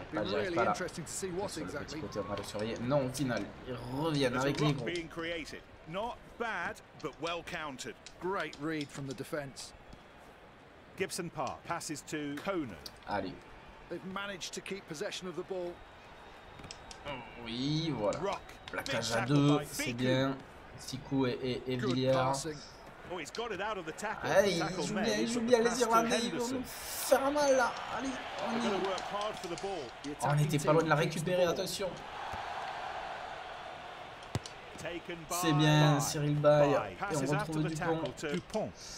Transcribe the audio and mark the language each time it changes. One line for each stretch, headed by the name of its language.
English: It'll be really interesting to see what exactly.
French: Non, au final, ils reviennent avec les gros.
English: Not bad, but well countered. Great read from the defense. Gibson Park passes to Conan. Allez. They've managed to keep possession of the ball.
French: Oh, oui, voilà. Placage à deux, c'est bien. Siku et Villiers.
English: Oh, he's got it out of the tackle.
French: Hey, il joue bien les Irlandais, ils vont nous faire mal là. Allez, on y va. Oh, on n'était pas loin de la récupérer, attention. C'est bien, Cyril Baye. Et on retrouve Dupont.